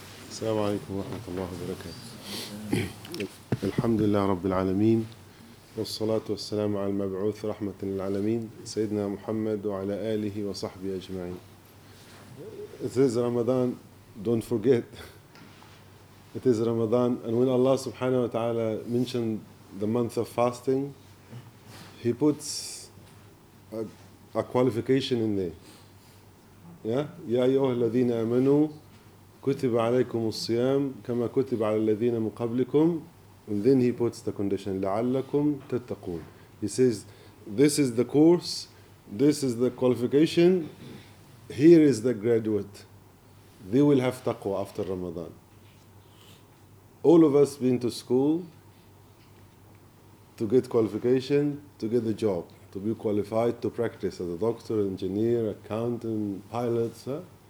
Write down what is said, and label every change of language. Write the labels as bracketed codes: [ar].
[ar] السلام عليكم ورحمة الله وبركاته. الحمد لله رب العالمين، والصلاة والسلام على المبعوث رحمة للعالمين سيدنا محمد وعلى آله وصحبه أجمعين. [en] It is Ramadan, don't forget. It is Ramadan, and when Allah subhanahu wa ta'ala mentioned the month of fasting, He puts a qualification in there. Yeah? [ar] يَا أَيُّهَا الَّذِينَ آمَنُوا كتب عليكم الصيام كما كتب على الذين من قبلكم. [en] And then he puts the condition, [ar] لعلكم تتقون. [en] He says, this is the course, this is the qualification, here is the graduate. They will have taqwa after Ramadan. All of us been to school to get qualification, to get the job, to be qualified to practice as a doctor, engineer, accountant, pilot. Huh?